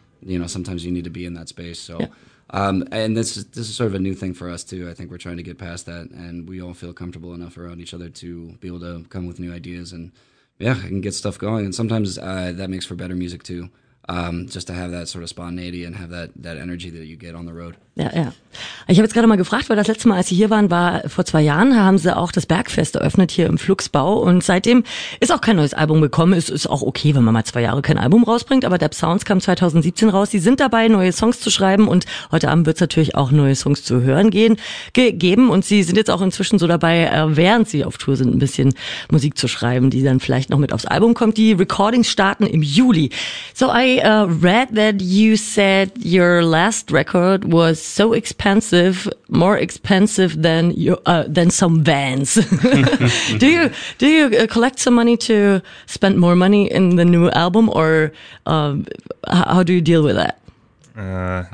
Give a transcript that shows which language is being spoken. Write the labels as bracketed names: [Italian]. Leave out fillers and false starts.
[English] You know, sometimes you need to be in that space. So, yeah. And this is sort of a new thing for us too. I think we're trying to get past that, and we all feel comfortable enough around each other to be able to come with new ideas and, yeah, and get stuff going. And sometimes that makes for better music too. Just to have that sort of spontaneity and have that energy that you get on the road. [German] Ja, ja. Ich habe jetzt gerade mal gefragt, weil das letzte Mal, als Sie hier waren, war vor 2 Jahren, haben Sie auch das Bergfest eröffnet hier im Fluxbau und seitdem ist auch kein neues Album gekommen. Es ist auch okay, wenn man mal 2 Jahre kein Album rausbringt, aber Depth Sounds kam 2017 raus. Sie sind dabei, neue Songs zu schreiben und heute Abend wird es natürlich auch neue Songs zu hören geben und Sie sind jetzt auch inzwischen so dabei, während Sie auf Tour sind, ein bisschen Musik zu schreiben, die dann vielleicht noch mit aufs Album kommt. Die Recordings starten im Juli. [English] So I read that you said your last record was so expensive, more expensive than your some vans. do you collect some money to spend more money in the new album, or how do you deal with that?